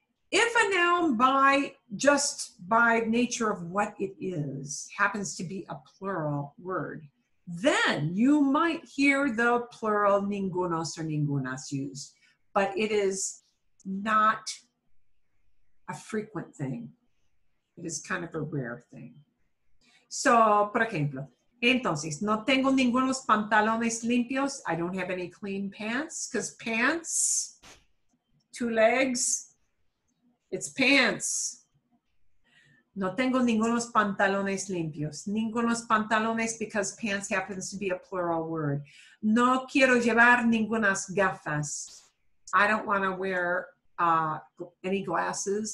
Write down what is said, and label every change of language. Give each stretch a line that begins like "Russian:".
English: If a noun by nature of what it is happens to be a plural word, then you might hear the plural ningunos or ningunas used, but it is not a frequent thing. It is kind of a rare thing.
Spanish: So, por ejemplo, entonces, no tengo ningunos pantalones limpios.
English: I don't have any clean pants, because pants, two legs, it's pants.
Spanish: No tengo ningunos pantalones limpios. Ningunos pantalones
English: because pants happens to be a plural word.
Spanish: No quiero llevar ningunas gafas.
English: I don't want to wear any glasses.